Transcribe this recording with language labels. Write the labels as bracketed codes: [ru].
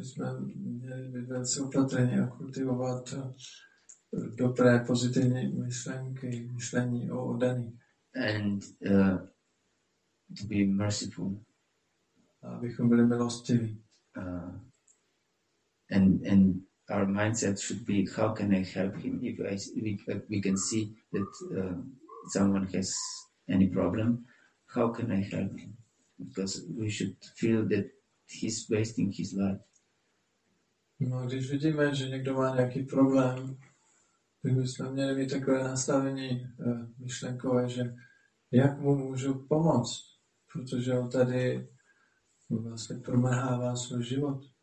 [cs] Bychom měli se opatrně kultivovat dobré pozitivní myšlenky, myšlení o oddaných. [en] And to be merciful. [cs] Abychom byli milostiví. [en] And our mindset should be, how can I help him if we can see that someone has any problem? How can I help him? Because we should feel that he's wasting his life. [cs] No, když vidíme, že někdo má nějaký problém, bychom měli mít takové nastavení myšlenkové, že jak mu můžu pomoct, protože on tady vlastně promrhává svůj život.